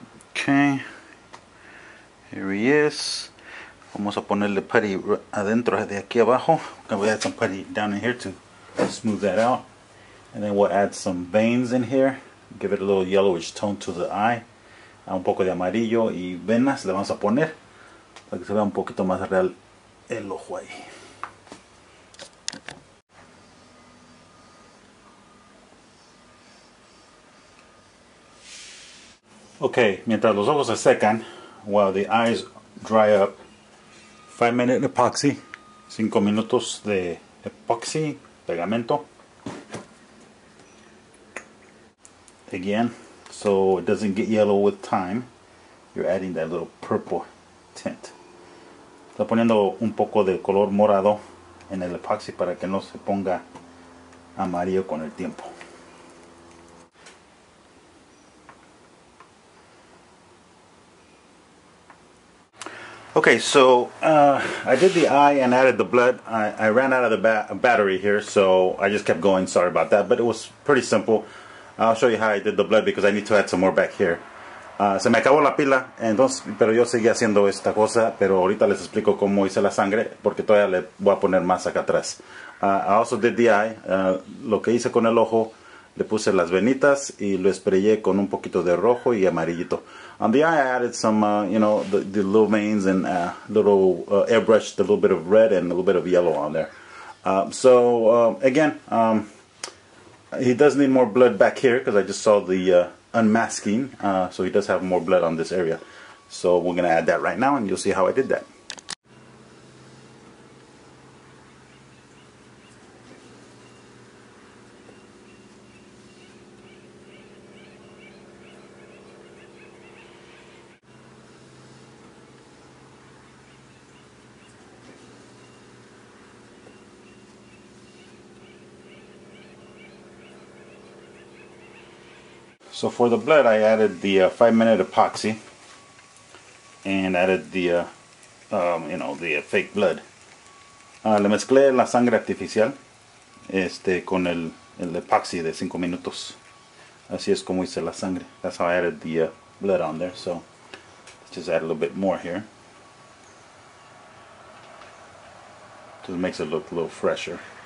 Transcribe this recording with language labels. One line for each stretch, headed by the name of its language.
English: Okay, here he is.
Spanish: Vamos a ponerle putty adentro de aquí abajo.
English: We add some putty down in here to smooth that out. And then we'll add some veins in here. Give it a little yellowish tone to the eye.
Spanish: Un poco de amarillo y venas le vamos a poner. Para que se vea un poquito más real el ojo ahí. Okay, mientras los ojos se secan, while the eyes dry up, 5-minute epoxy, 5 minutos de epoxy, pegamento.
English: Again, so it doesn't get yellow with time, you're adding that little purple tint.
Spanish: Está poniendo un poco de color morado en el epoxy para que no se ponga amarillo con el tiempo.
English: Okay, so I did the eye and added the blood. I ran out of the battery here, so I just kept going. Sorry about that, but it was pretty simple. I'll show you how I did the blood because I need to add some more back here.
Spanish: Se me acabó la pila, entonces, pero yo seguí haciendo esta cosa, pero ahorita les explico cómo hice la sangre porque todavía le voy a poner más acá atrás. I also did the eye. Lo que hice con el ojo, le puse las venitas y lo esprayé con un poquito de rojo y amarillito.
English: On the eye, I added some, you know, the little veins and a little airbrushed a little bit of red and a little bit of yellow on there. So, again, he does need more blood back here because I just saw the unmasking. So he does have more blood on this area. So we're going to add that right now and you'll see how I did that. So for the blood, I added the 5-minute epoxy and added the, you know, the fake blood.
Spanish: Le mezclé la sangre artificial con el epoxy de 5 minutos. Así es como hice la sangre.
English: That's how I added the blood on there. So let's just add a little bit more here. Just makes it look a little fresher.